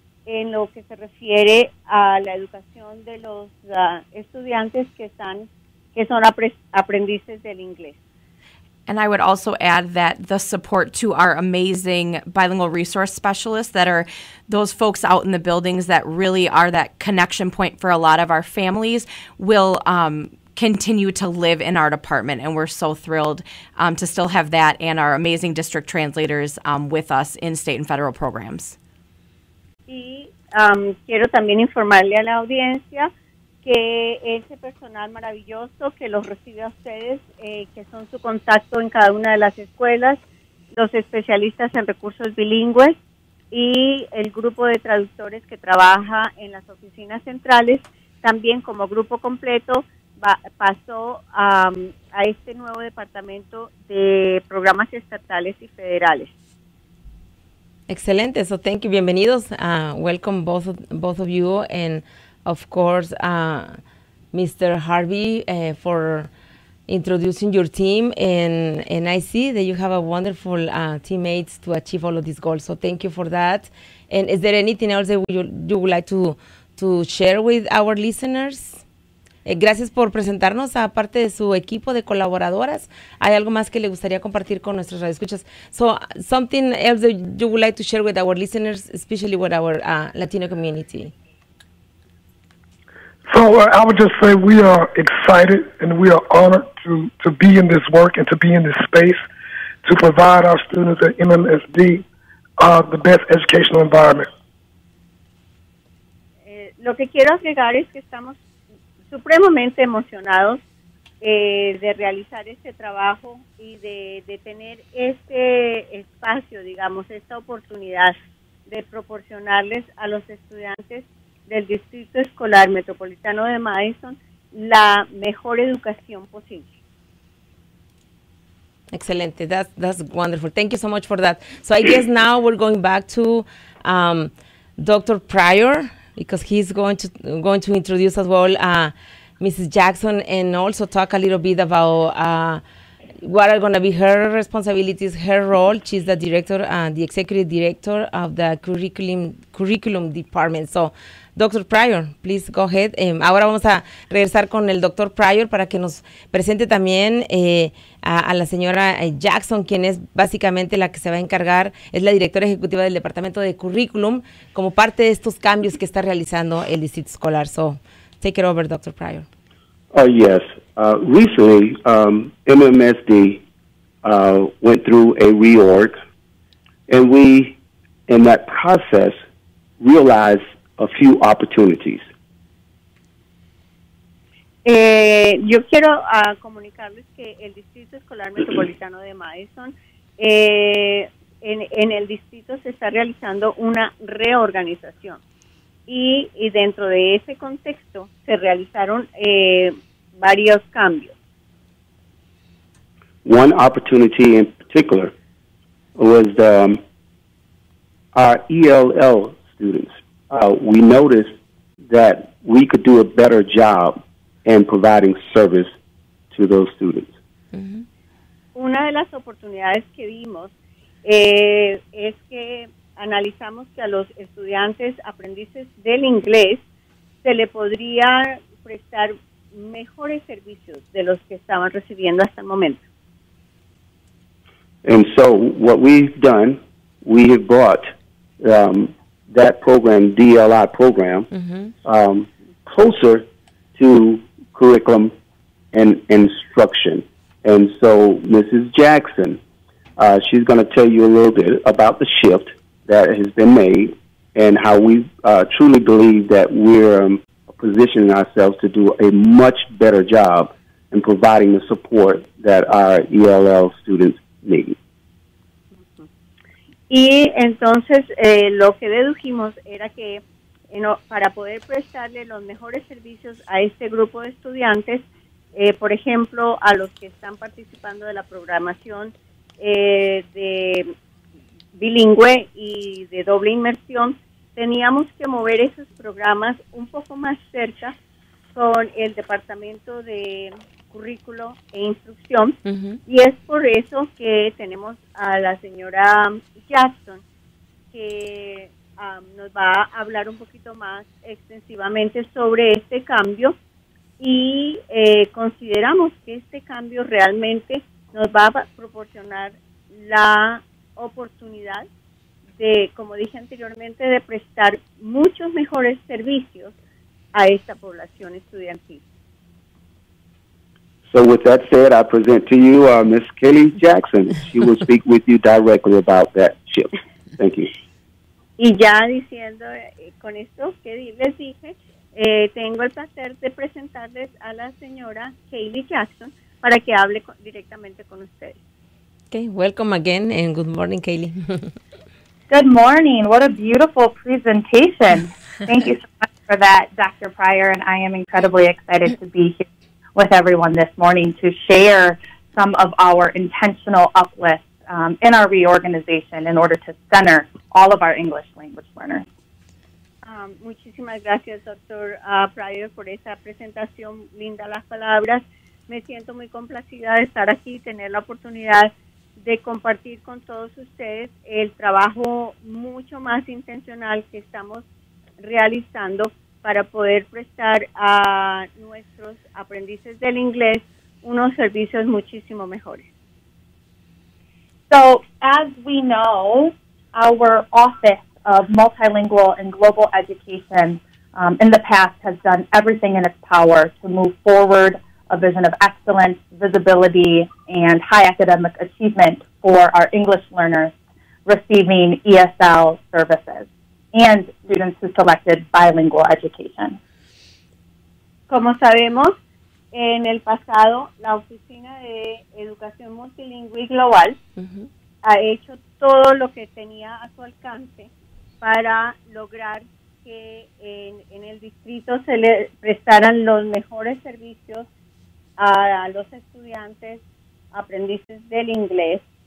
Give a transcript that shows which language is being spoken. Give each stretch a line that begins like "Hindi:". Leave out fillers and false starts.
Spanish: en lo que se refiere a la educación de los estudiantes que son aprendices del inglés.
English: And I would also add that the support to our amazing bilingual resource specialists that are those folks out in the buildings that really are that connection point for a lot of our families will continue to live in our department. And we're so thrilled to still have that and our amazing district translators with us in state and federal programs.
Spanish: Y quiero también informarle a la audiencia que ese personal maravilloso que los recibe a ustedes, que son su contacto en cada una de las escuelas, los especialistas en recursos bilingües y el grupo de traductores que trabaja en las oficinas centrales, también como grupo completo pasó a este nuevo departamento de programas estatales y federales. Excelente,
English: so thank you,
Spanish: bienvenidos.
English: Welcome both of you and of course, Mr. Harvey, for introducing your team, and I see that you have a wonderful teammates to achieve all of these goals. So thank you for that. And is there anything else that you would like to share with our listeners?
Spanish: Gracias por presentarnos a parte de su equipo de colaboradoras. ¿Hay algo más que le gustaría compartir con nuestros radioescuchas?
English: So something else that you would like to share with our listeners, especially with our Latino community? So I would just say we are excited and we are honored to be in this work and to be in this space to provide our students at MLSD the best educational environment.
Spanish: Lo que quiero agregar es que estamos supremamente emocionados de realizar este trabajo y de tener este espacio, digamos, esta oportunidad de proporcionarles a los estudiantes del Distrito Escolar Metropolitano de Madison la mejor educación posible. Excelente.
English: That's wonderful. Thank you so much for that. So I guess now we're going back to Dr. Pryor, because he's going to introduce as well Mrs. Jackson and also talk a little bit about what are going to be her responsibilities, her role. She's the director, the executive director of the curriculum department. So, Dr. Pryor, please go ahead.
Spanish: Ahora vamos a regresar con el Dr. Pryor para que nos presente también a la señora Jackson, quien es básicamente la que se va a encargar, es la directora ejecutiva del Departamento de Curriculum, como parte de estos cambios que está realizando el Distrito Escolar.
English: So, take it over, Dr. Pryor. Yes. Recently, MMSD went through a reorg, and we, in that process, realized a few opportunities.
Spanish: Yo quiero comunicarles que el Distrito Escolar Metropolitano de Madison, en el distrito se está realizando una reorganización. Y dentro de ese contexto se realizaron varios cambios.
English: One opportunity in particular was our ELL students. We noticed that we could do a better job in providing service to those students. Mm-hmm.
Spanish: Una de las oportunidades que vimos es que analizamos que a los estudiantes aprendices del inglés se le podría prestar mejores servicios de los que estaban recibiendo hasta el momento.
English: And so what we've done, we have brought that program, DLI program, mm-hmm. Closer to curriculum and instruction. And so Mrs. Jackson, she's going to tell you a little bit about the shift that has been made and how we truly believe that we're positioning ourselves to do a much better job in providing the support that our ELL students need.
Spanish: Y entonces lo que dedujimos era que para poder prestarle los mejores servicios a este grupo de estudiantes, por ejemplo, a los que están participando de la programación de bilingüe y de doble inmersión, teníamos que mover esos programas un poco más cerca con el Departamento de Currículo e Instrucción. Uh-huh. Y es por eso que tenemos a la señora Jackson, que nos va a hablar un poquito más extensivamente sobre este cambio y consideramos que este cambio realmente nos va a proporcionar la oportunidad de, como dije anteriormente, de prestar muchos mejores servicios a esta población estudiantil.
English: So with that said, I present to you Ms. Kelly Jackson. She will speak with you directly about that shift. Thank you.
Spanish: Y ya diciendo con esto que les dije, tengo el placer de presentarles a la señora Kelly Jackson para que hable directamente con ustedes.
English: Okay, welcome again and good morning, Kelly. Good morning. What a beautiful presentation. Thank you so much for that, Dr. Pryor, and I am incredibly excited to be here with everyone this morning to share some of our intentional uplifts in our reorganization in order to center all of our English language learners.
Spanish: Muchísimas gracias, Dr. Pryor, por esa presentación. Linda las palabras. Me siento muy complacida de estar aquí y tener la oportunidad de compartir con todos ustedes el trabajo mucho más intencional que estamos realizando para poder prestar a nuestros aprendices del inglés unos servicios muchísimo mejores.
English: So, as we know, our Office of Multilingual and Global Education in the past has done everything in its power to move forward a vision of excellence, visibility, and high academic achievement for our English learners receiving ESL services and students who selected bilingual education.
Spanish: Como sabemos, en el pasado, la Oficina de Educación Multilingüe Global ha hecho todo lo que tenía a su alcance para lograr que en el distrito se le prestaran los mejores servicios a los estudiantes aprendices del inglés.